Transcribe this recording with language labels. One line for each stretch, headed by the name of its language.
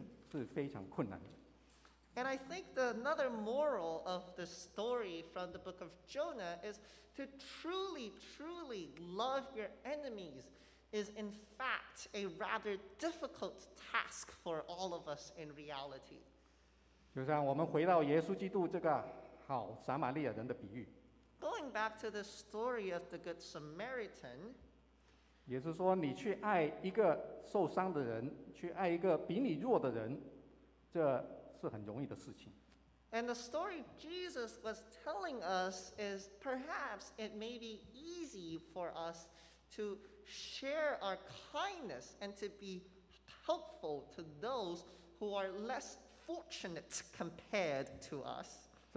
Chinese: 所以这个故事的最后的这一个结局呢，告诉我们说，其实真正去爱你的敌人是非常困难的。
English: And I think the another moral of the story from the book of Jonah is to truly, truly love your enemies is in fact a rather difficult task for all of us in reality.
Chinese: 就像我们回到耶稣基督这个好撒玛利亚人的比喻。
English: Going back to the story of the Good Samaritan,
Chinese: 也是说你去爱一个受伤的人，去爱一个比你弱的人， 这是很容易的事情。
English: And the story Jesus was telling us is perhaps it may be easy for us to share our kindness and to be helpful to those who are less fortunate compared to us.